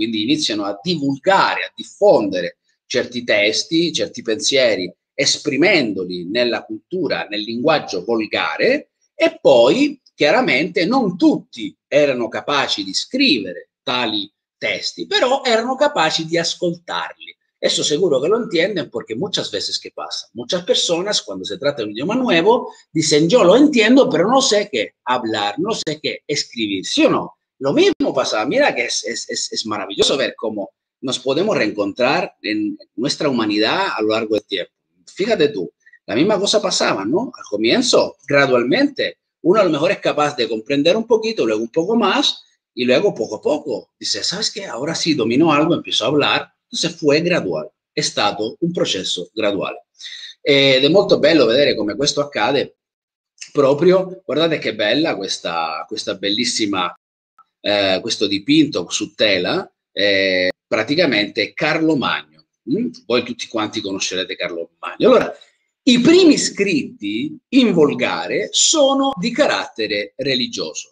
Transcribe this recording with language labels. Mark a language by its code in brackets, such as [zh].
[it] Quindi iniziano a divulgare, a diffondere certi testi, certi pensieri, esprimendoli nella cultura, nel linguaggio volgare, e poi chiaramente non tutti erano capaci di scrivere tali testi, però erano capaci di ascoltarli. [es] Eso seguro que lo entienden porque muchas veces que pasa, muchas personas cuando se trata de un idioma nuevo dicen yo lo entiendo, pero no sé qué hablar, no sé qué escribir, ¿sí o no? Lo mismo pasa, mira que es maravilloso ver cómo nos podemos reencontrar en nuestra humanidad a lo largo del tiempo. Fíjate tú, la misma cosa pasaba, ¿no? Al comienzo, gradualmente, uno a lo mejor es capaz de comprender un poquito, luego un poco más y luego poco a poco dice, ¿sabes qué? Ahora sí domino algo, empiezo a hablar. Entonces fue graduale, [it] è stato un processo graduale. Ed è molto bello vedere come questo accade proprio, guardate che bella questa bellissima, questo dipinto su tela, praticamente Carlo Magno. Voi tutti quanti conoscerete Carlo Magno. Allora, i primi scritti in volgare sono di carattere religioso.